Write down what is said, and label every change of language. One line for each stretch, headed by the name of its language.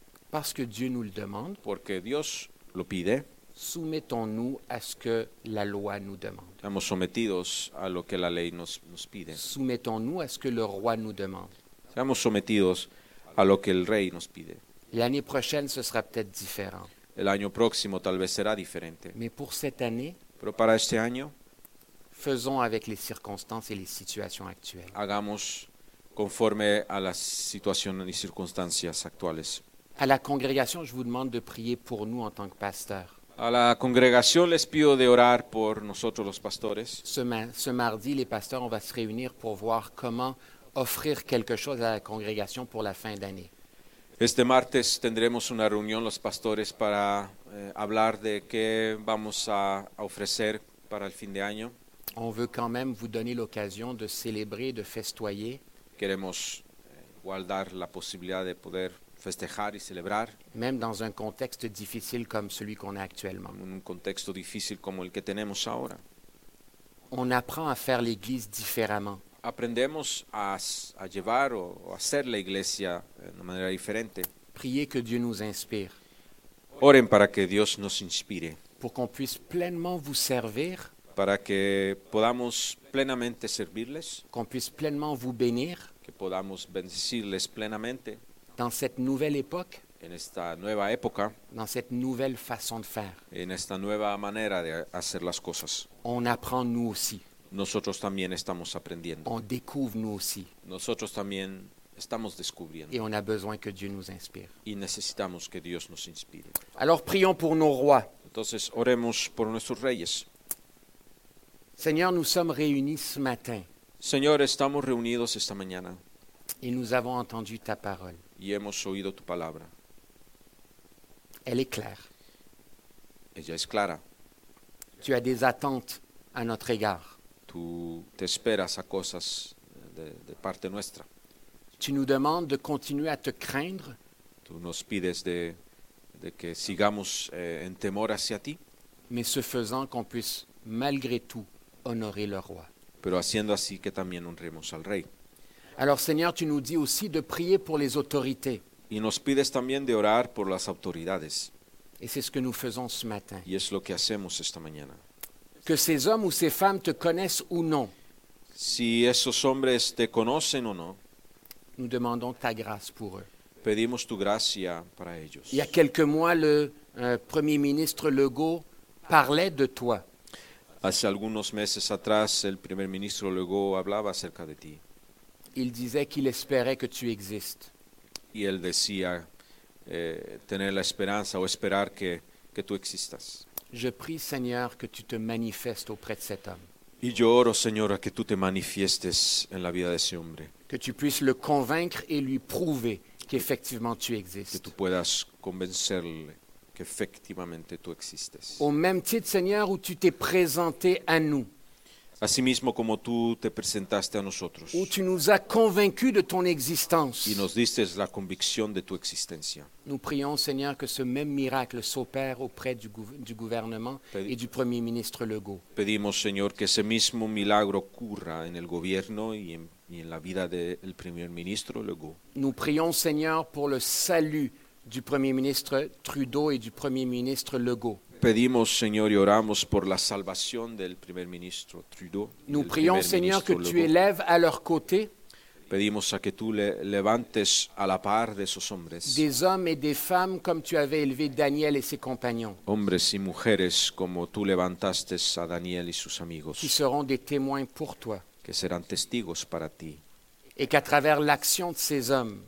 French: Parce que Dieu nous le demande.
Spanish: Porque Dios lo pide.
French: Soumettons-nous à ce que la loi nous demande.
Spanish: Estamos sometidos a lo que la ley nos pide.
French: Soumettons-nous à ce que le roi nous demande.
Spanish: Estamos sometidos a lo que el rey nos pide.
French: L'année prochaine ce sera peut-être différent.
Spanish: El año próximo tal vez será diferente.
French: Mais pour cette année,
Spanish: pero para este año,
French: faisons avec les circonstances et les situations actuelles.
Spanish: Hagamos conforme a las situaciones y circunstancias actuales.
French: À la congrégation, je vous demande de prier pour nous en tant que pasteurs.
Spanish: A la congregación les pido de orar por nosotros los pastores.
French: Ce mardi, les pasteurs, on va se réunir pour voir comment offrir quelque chose à la congrégation pour la fin d'année.
Spanish: Este martes tendremos una reunión los pastores para hablar de qué vamos a ofrecer para el fin de año.
French: On veut quand même vous donner l'occasion de célébrer, de festoyer.
Spanish: Queremos guardar la posibilidad de poder festejar y celebrar.
French: Même dans un contexte difficile comme celui qu'on a actuellement.
Spanish: Un contexto difícil como el que tenemos ahora.
French: On apprend à faire l'Église différemment.
Spanish: Aprendemos a llevar o a hacer la iglesia de manera diferente.
French: Priez que Dieu nous inspire.
Spanish: Oren para que Dios nos inspire.
French: Pour qu'on puisse pleinement vous servir.
Spanish: Para que podamos plenamente servirles.
French: Qu'on puisse pleinement vous bénir.
Spanish: Que podamos bendecirles plenamente.
French: Dans cette nouvelle époque.
Spanish: En esta nueva época.
French: Dans cette nouvelle façon de faire.
Spanish: En esta nueva manera de hacer las cosas.
French: On apprend nous aussi.
Spanish: Nosotros también estamos aprendiendo.
French: On découvre nous aussi.
Spanish: Nosotros también estamos descubriendo.
French: Et on a besoin que Dieu nous inspire.
Spanish: Y necesitamos que Dios nos inspire.
French: Alors prions pour nos rois.
Spanish: Entonces oremos por nuestros reyes.
French: Seigneur, nous sommes réunis ce matin.
Spanish: Señor, estamos reunidos esta mañana.
French: Et nous avons entendu ta parole.
Spanish: Y hemos oído tu palabra.
French: Elle est claire.
Spanish: Ella es clara.
French: Tu as des attentes à notre égard.
Spanish: Tú te esperas a cosas de parte nuestra.
French: Tu nous demandes de continuer à te craindre.
Spanish: Tú nos pides de que sigamos en temor hacia ti.
French: Mais ce faisant qu'on puisse malgré tout honorer le roi.
Spanish: Pero haciendo así que también honremos al rey.
French: Alors Seigneur, tu nous dis aussi de prier pour les autorités.
Spanish: Y nos pides también de orar por las autoridades.
French: Et c'est ce que nous faisons ce matin.
Spanish: Y es lo que hacemos esta mañana.
French: Que ces hommes ou ces femmes te connaissent ou non.
Spanish: Si esos hombres te conocen o no.
French: Nous demandons ta grâce pour eux.
Spanish: Pedimos tu gracia para ellos.
French: Il y a quelques mois, le Premier ministre Legault parlait de toi.
Spanish: Hace algunos meses atrás, el Primer Ministro Legault hablaba acerca de ti.
French: Il disait qu'il espérait que tu existes.
Spanish: Y él decía tener la esperanza o esperar que tú existas.
French: Je prie, Seigneur, que tu te manifestes auprès de cet homme.
Spanish: Y yo oro, Señor, a que tú te manifiestes en la vida de ese hombre.
French: Que tu puisses le convaincre et lui prouver qu'effectivement tu existes.
Spanish: Que tú puedas convencerle que efectivamente tú existes.
French: Au même titre, Seigneur, où tu t'es présenté à nous.
Spanish: Asimismo como tú te presentaste a nosotros.
French: Où tu nous as convaincus de ton existence.
Spanish: Y nos diste la convicción de tu existencia.
French: Nous prions, Seigneur, que ce même miracle s'opère auprès du gouvernement et du Premier ministre Legault.
Spanish: Pedimos, Señor, que ese mismo milagro ocurra en el gobierno y en la vida del Primer Ministro Legault.
French: Nous prions, Seigneur, pour le salut du Premier ministre Trudeau et du Premier ministre Legault.
Spanish: Pedimos, Señor, y oramos por la salvación del Primer Ministro Trudeau.
French: Nous prions, Seigneur, que tu élèves à leur côté.
Spanish: Pedimos a que tú le levantes a la par de esos hombres.
French: Des hommes et des femmes comme tu avais élevé Daniel et ses compagnons.
Spanish: Hombres y mujeres como tú levantaste a Daniel y sus amigos.
French: Qui seront des témoins pour toi.
Spanish: Que serán testigos para ti.
French: Et qu'à travers l'action de ces hommes.